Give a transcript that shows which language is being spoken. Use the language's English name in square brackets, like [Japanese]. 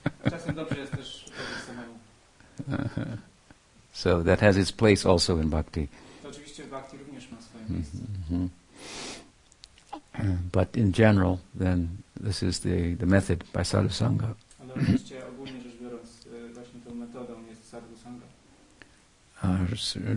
[Polish] Czasem dobrze jest też być samemu. [English] So that has its place also in bhakti. [Polish] To oczywiście w bhakti również ma swoje miejsce. [English] But in general, then this is the method by sadhu sangha. [Polish] Ale oczywiście ogólnie rzecz biorąc, właśnie tą metodą jest sadhu sangha.